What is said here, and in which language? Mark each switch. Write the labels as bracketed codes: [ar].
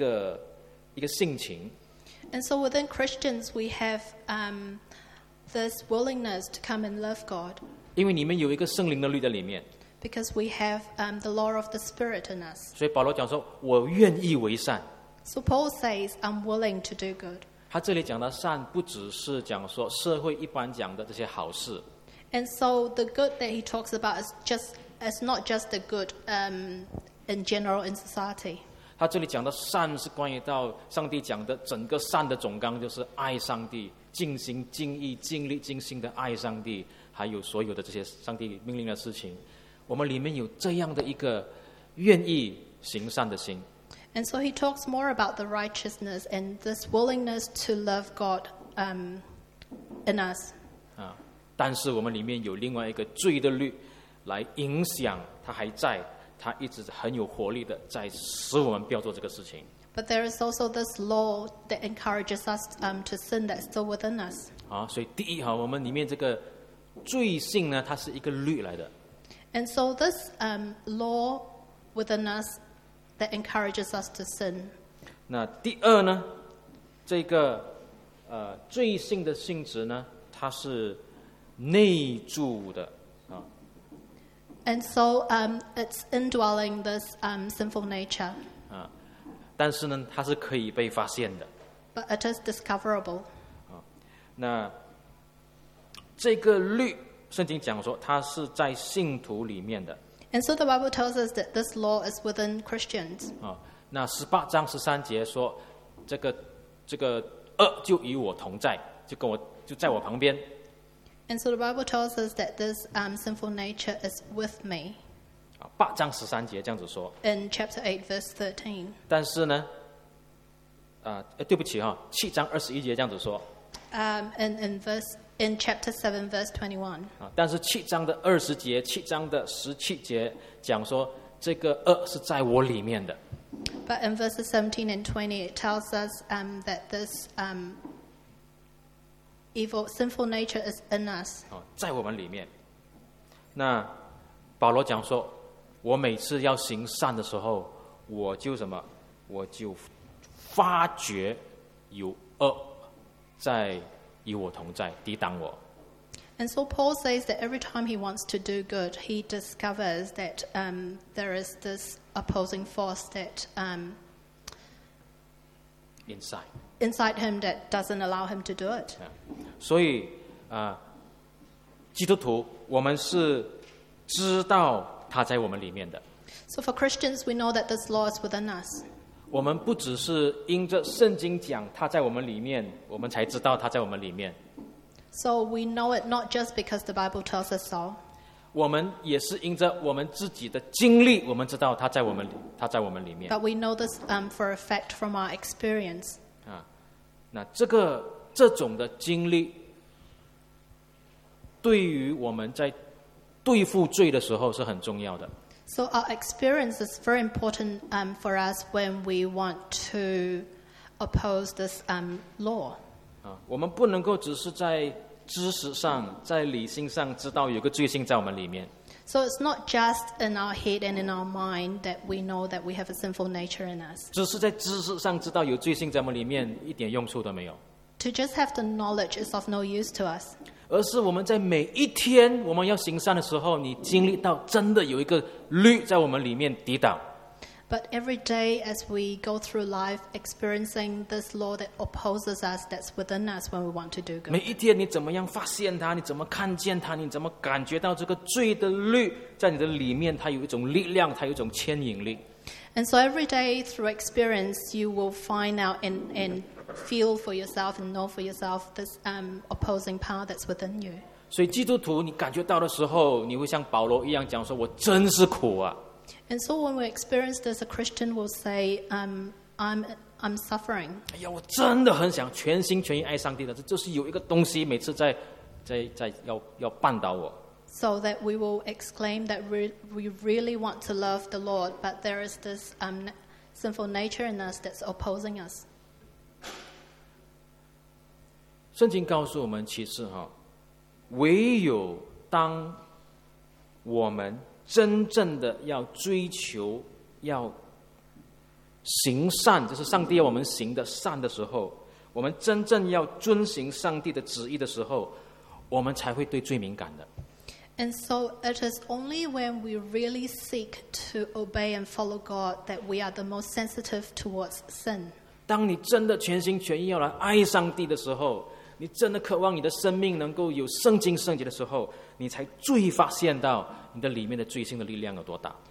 [zh] 但是每一个信徒呢，我们里面有愿意来爱上帝的一个性情。 [en] And so within Christians, we have this willingness to come and love God. [zh] 因为你们有一个圣灵的律在里面。 [en] Because we have the law of the Spirit in us. [zh] 所以保罗讲说，我愿意为善。 [en] So Paul says, I'm willing to do good. [zh] 他这里讲的善，不只是讲说社会一般讲的这些好事。 [en] And so the good that he talks about is not just the good in general in society. [zh] 他这里讲的善是关于到上帝讲的整个善的总纲，就是爱上帝，尽心尽意尽力尽心的爱上帝，还有所有的这些上帝命令的事情，我们里面有这样的一个愿意行善的心。 [en] And so he talks more about the righteousness and this willingness to love God in us. [zh] 但是我们里面有另外一个罪的律来影响，他还在，他一直很有活力的在使我们不要做这个事情。 [en] But there is also this law that encourages us to sin that's still within us. [zh] 所以第一哈，我们里面这个罪性呢，它是一个律来的。 [en] And so this law within us that encourages us to sin. [zh] 那第二呢，这个罪性的性质呢，它是内住的。 [en] And so it's indwelling this sinful nature. [zh] 但是呢，它是可以被发现的。 [en] But it is discoverable. [zh] 那这个律，圣经讲说，它是在信徒里面的。 [en] And so the Bible tells us that this law is within Christians. [zh] 那十八章十三节说，这个恶就与我同在，就在我旁边。 [en] And so the Bible tells us that this sinful nature is with me. [zh] 八章十三节这样子说。 [en] In chapter 8, verse 13. [zh] 但是呢，对不起哈，七章二十一节这样子说。 [en] In chapter 7, verse 21. [zh] 但是七章的二十节，七章的十七节讲说，这个恶是在我里面的。 [en] But in verses 17 and 20, it tells us that this evil, sinful nature is in us. [zh] 在我们里面。那保罗讲说，我每次要行善的时候，我就什么？我就发觉有恶在与我同在，抵挡我。 [en] And so Paul says that every time he wants to do good, he discovers that there is this opposing force that inside him that doesn't allow him to do it. [zh] 所以基督徒我们是知道他在我们里面的。 [en] So for Christians we know that this law is within us. [zh] 我们不只是因着圣经讲他在我们里面我们才知道他在我们里面。 [en] So we know it not just because the Bible tells us so. [zh] 我们也是因着我们自己的经历我们知道他在我们里面。 [en] But we know this for a fact from our experience. [zh] 那这种的经历对于我们在对付罪的时候是很重要的。 [en] So our experience is very important for us when we want to oppose this law. [zh] 我们不能够只是在知识上在理性上知道有个罪性在我们里面。 [en] So it's not just in our head and in our mind that we know that we have a sinful nature in us. [zh] 只是在知识上知道有罪性在我们里面一点用处都没有。 [en] To just have the knowledge is of no use to us. [zh] 而是我们在每一天我们要行善的时候，你经历到真的有一个律在我们里面抵挡。 [en] But every day as we go through life, experiencing this law that opposes us, that's within us when we want to do good. [zh] 每一天你怎么样发现它？你怎么看见它？你怎么感觉到这个罪的律在你的里面？它有一种力量，它有一种牵引力。 [en] And so every day through experience, you will find out and feel for yourself and know for yourself this opposing power that's within you. [zh] 所以基督徒你感觉到的时候你会像保罗一样讲说我真是苦啊。 [en] And so when we experience this, a Christian will say, I'm suffering. [zh] 哎呀，我真的很想全心全意爱上帝的，这就是有一个东西每次在要绊倒我。 [en] So that we will exclaim that we really want to love the Lord, but there is this sinful nature in us that's opposing us. [zh] 圣经告诉我们，其实哈，唯有当我们真正的要追求要行善，就是上帝要我们行的善的时候，我们真正要遵行上帝的旨意的时候，我们才会对罪敏感的。 [en] And so it is only when we really seek to obey and follow God that we are the most sensitive towards sin. [zh] 当你真的全心全意要来爱上帝的时候，你真的渴望你的生命能够有圣经圣洁的时候，你才最发现到你的里面的罪性的力量有多大。